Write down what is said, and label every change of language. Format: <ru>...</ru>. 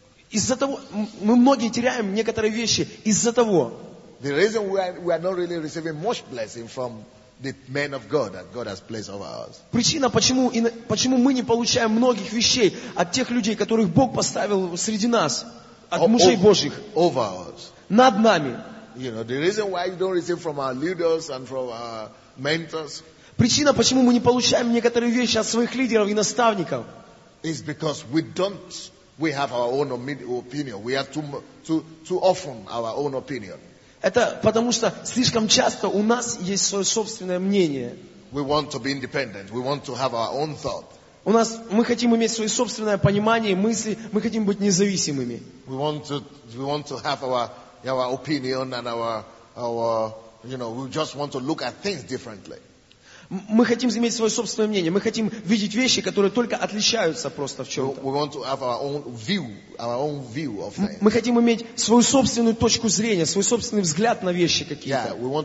<ru>Из-за того, мы многие теряем некоторые вещи из-за того.</ru> <en>The reason we are not really receiving much blessing from the men of God that God has placed over us.</en> <ru>Причина, почему мы не получаем многих вещей от тех людей, которых Бог поставил среди нас, от мужей Божьих.</ru> <en>Over us.</en> <ru>Над нами.</ru> <en>You know, the reason why you don't receive from our leaders and from our mentors.</en> <ru>Причина, почему мы не получаем некоторые вещи от своих лидеров и наставников.</ru> <en>Is because we don't. We have our own opinion. We have too often our own opinion.</en> <ru>Это потому что слишком часто у нас есть свое собственное мнение.</ru> <en>We want to be independent. We want to have our own thought.</en> <ru>У нас мы хотим иметь свое собственное понимание и мысли. Мы хотим быть независимыми.</ru> <en>We want to have our opinion and our you know, we just want to look at things differently.</en> <ru>Мы хотим иметь свое собственное мнение. Мы хотим видеть вещи, которые только отличаются просто в чем-то. Мы хотим иметь свою собственную точку зрения, свой собственный взгляд на вещи какие-то.</ru>